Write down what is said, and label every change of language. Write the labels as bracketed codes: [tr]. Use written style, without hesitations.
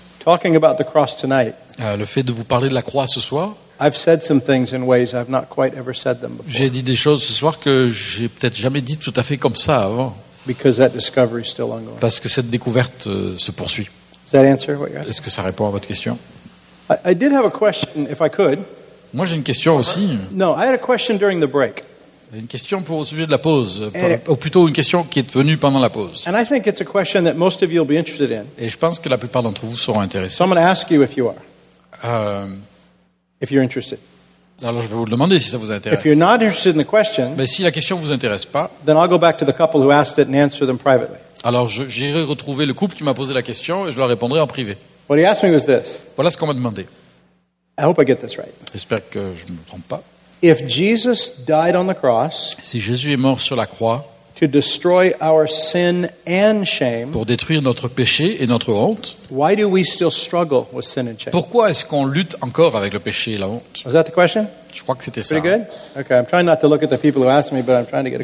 [en] Talking about the cross tonight, [fr] le fait de vous parler de la croix ce soir, j'ai dit des choses ce soir que je n'ai peut-être jamais dit tout à fait comme ça avant. [en] Because that discovery is still ongoing. [fr] Parce que cette découverte se poursuit. [en] Does that answer what you're asking? [fr] Est-ce que ça répond à votre question? [en] I did have a question, if I could. [fr] Moi, j'ai une question aussi. [en] No, I had a question during the break. [fr] Une question au sujet de la pause, ou plutôt une question qui est venue pendant la pause. [en] And I think it's a question that most of you will be interested in. [fr] Et je pense que la plupart d'entre vous seront intéressés. [en] So I'm going to ask you if you are. If you're interested. [fr] Alors je vais vous le demander si ça vous intéresse. [en] If you're not interested in the question, [fr] mais si la question ne vous intéresse pas, [en] then I'll go back to the couple who asked it and answer them privately. [fr] Alors j'irai retrouver le couple qui m'a posé la question et je leur répondrai en privé. [en] What he asked me was this. [fr] Voilà ce qu'on m'a demandé. [en] I hope I get this right. [fr] J'espère que je ne me trompe pas. [en] If Jesus died on the cross, [fr] si Jésus est mort sur la croix, [en] to destroy our sin and shame, [fr] pour détruire notre péché et notre honte, [en] why do we still struggle with sin and shame? [fr] Pourquoi est-ce qu'on lutte encore avec le péché et la honte? [en] Was that the question? [fr] Je crois que c'était [en] pretty [fr] ça. [en] Good? Okay, I'm trying not to look at the people who asked me, but I'm trying to get a